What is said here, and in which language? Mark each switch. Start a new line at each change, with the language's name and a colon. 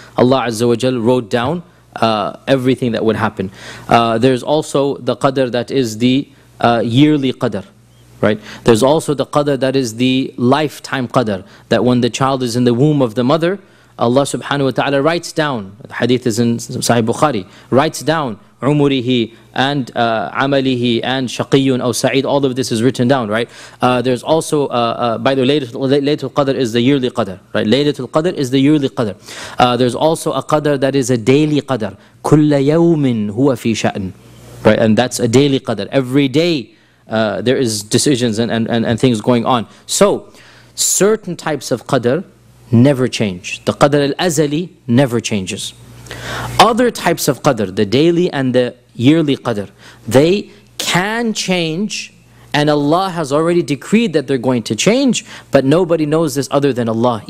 English: Allah azza wa jal wrote down everything that would happen. There's also the Qadr that is the yearly Qadr, right? There's also the Qadr that is the lifetime Qadr, that when the child is in the womb of the mother, Allah subhanahu wa ta'ala writes down, the hadith is in Sahih Bukhari, writes down
Arabic: عمره and عمله and شقي أو سعيد.
English: All of this is written down, right? There's also, by the way, Laylatul Qadr is the yearly Qadr, right? Laylatul Qadr is the yearly Qadr. There's also a Qadr that is a daily Qadr.
Arabic: كل يوم هو في شأن,
English: right? And that's a daily Qadr. Every day there is decisions and things going on. So certain types of Qadr never change. The Qadr al-Azali never changes. Other types of Qadr, the daily and the yearly Qadr, they can change, and Allah has already decreed that they're going to change, but nobody knows this other than Allah.